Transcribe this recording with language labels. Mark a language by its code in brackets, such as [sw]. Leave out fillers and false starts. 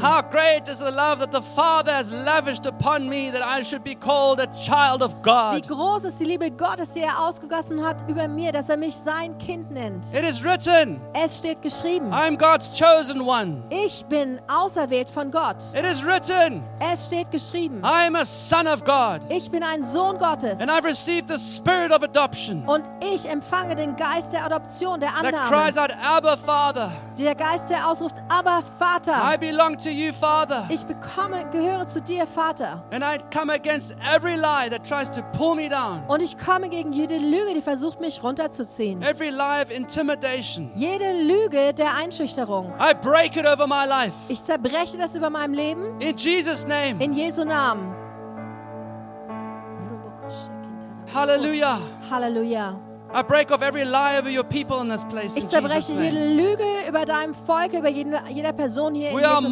[en] How great is the love that the Father has lavished upon me that I should be called a child of God. [de] Wie groß ist die Liebe Gottes, die er ausgegossen hat über mir, dass er mich sein Kind nennt. [en] It is written. [de] Es steht geschrieben. [en] I am God's chosen one. [de] Ich bin auserwählt von Gott. [en] It is written. [de] Es steht geschrieben. [en] I am a son of God. [de] Ich bin ein Sohn Gottes. [en] And I've received the spirit of adoption. [de] Und ich empfange den Geist der Adoption, der Annahme. [en] That cries out, Abba, Father. [de] Der Geist, der ausruft, Abba, Vater. [en] I belong to you, Father. [de] Ich gehöre zu dir, Vater. [en] And I come against every lie that tries to pull me down. [de] Und ich komme gegen jede Lüge, die versucht, mich runterzuziehen. [en] Every lie of intimidation. [de] Jede Lüge der Einschüchterung. [en] I break it over my life. [de] Ich zerbreche das über meinem Leben. [en] In Jesus' name. [de] In Jesu Namen. [en] Hallelujah. Hallelujah. I break off every lie over your people in this place. [de] Ich zerbreche jede Lüge über deinem Volk, über jeder Person hier in diesem Raum.